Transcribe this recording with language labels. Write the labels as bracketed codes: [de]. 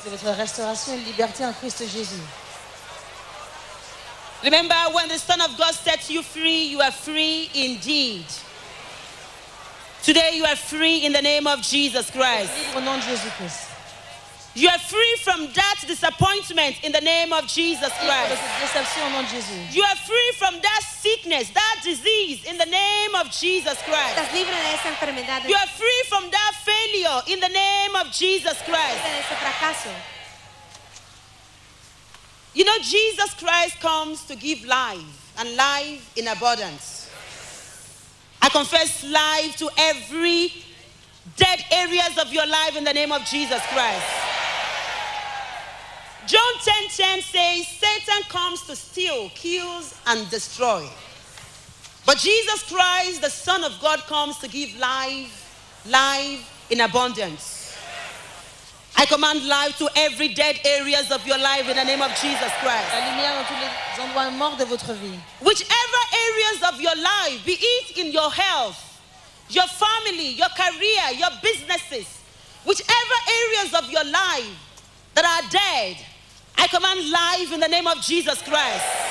[fr] C'est votre restauration et liberté en Christ Jésus. [en] Remember, when the Son of God sets you are free indeed. Today you are free in the name of Jesus Christ. [fr] Au nom de Jésus Christ. [en] You are free from that disappointment in the name of Jesus Christ. You are free from that sickness, that disease in the name of Jesus Christ. You are free from that failure in the name of Jesus Christ. You know, Jesus Christ comes to give life and life in abundance. confess life to every dead areas of your life in the name of Jesus Christ. John 10:10 says, Satan comes to steal, kill, and destroy. But Jesus Christ, the Son of God, comes to give life, life in abundance. I command life to every dead areas of your life in the name of Jesus Christ. [fr] La lumière dans tous les endroits morts de votre vie. [en] Whichever areas of your life, be it in your health, your family, your career, your businesses, whichever areas of your life that are dead, I command life in the name of Jesus Christ.